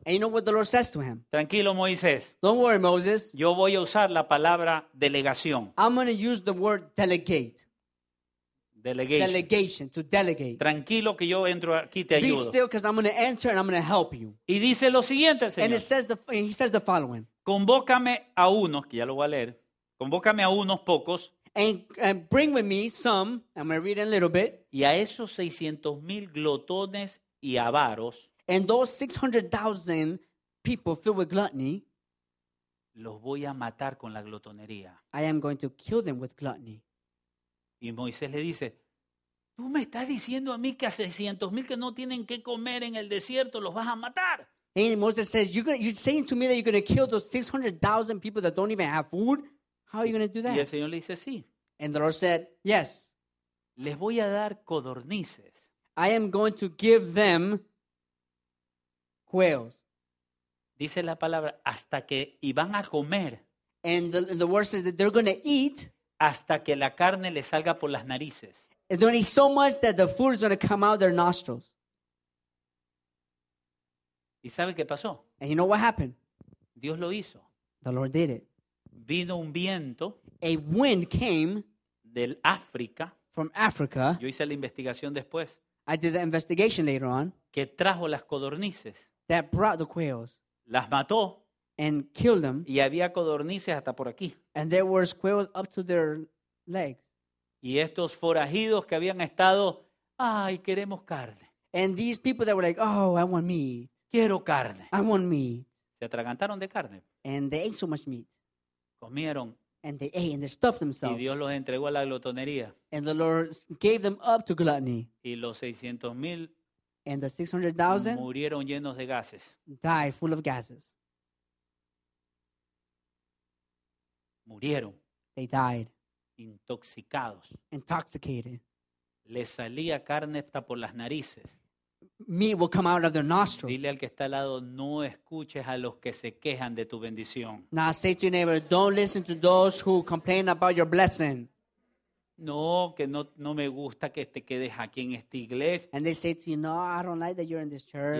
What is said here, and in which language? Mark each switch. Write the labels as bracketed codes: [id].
[en] And you know what the Lord says to him. [es] Tranquilo, Moisés. [en] Don't worry, Moses. [es] Yo voy a usar la palabra delegación. [en] I'm going to use the word delegate. Delegation, to delegate. [es] Tranquilo que yo entro aquí te [en] be [es] ayudo. [en] Be still because I'm going to enter and I'm going to help you. [es] Y dice lo siguiente, el Señor. [en] And he says the following. [es] Convócame a unos, que ya lo voy a leer. Convócame a unos pocos. [en] And bring with me some, I'm going to read in a little bit. [es] Y a esos 600,000 glotones y avaros. [en] And those 600,000 people filled with gluttony. [es] Los voy a matar con la glotonería. [en] I am going to kill them with gluttony. [es] Y Moisés le dice, tú me estás diciendo a mí que a 600,000 que no tienen que comer en el desierto los vas a matar. [en] And Moses says, you're saying to me that you're going to kill those 600,000 people that don't even have food? How are you going to do that? [es] Y el Señor le dice, sí. [en] And the Lord said, yes. [es] Les voy a dar codornices. [en] I am going to give them quails. [es] Dice la palabra, hasta que iban a comer. [en] And the word says that they're going to eat. [es] Hasta que la carne les salga por las narices. [en] They're going to eat so much that the food is going to come out their nostrils. [es] ¿Y sabe qué pasó? [en] And you know what happened? [es] Dios lo hizo. [en] The Lord did it. [es] Vino un viento. [en] A wind came. [es] Del África. [en] From Africa. [es] Yo hice la investigación después. [en] I did the investigation later on. [es] Que trajo las codornices. [en] That brought the quails. [es] Las mató. [en] And killed them. [es] Y había codornices hasta por aquí. [en] And there were quails up to their legs. [es] Y estos forajidos que habían estado, ay, queremos carne. [en] And these people that were like, oh, I want meat. [es] Quiero carne. [en] I want meat. [es] Se atragantaron de carne. [en] And they ate so much meat. [es] Comieron. [en] And they ate and they stuffed themselves. [es] Y Dios los entregó a la glotonería. [en] And the Lord gave them up to gluttony. [es] Y los 600,000 [en] and the 600,000 [es] murieron llenos de gases. [en] Died full of gases. [es] Murieron. [en] They died. [es] Intoxicados. [en] Intoxicated. [es] Les salía carne hasta por las narices. [en] Meat will come out of their nostrils. [es] Dile al que está al lado, no escuches a los que se quejan de tu bendición. [en] Now say to your neighbor, don't listen to those who complain about your blessing. [es] No, que no me gusta que te quedes aquí en esta iglesia. [en] And they say to you, no, I don't like that you're in this church.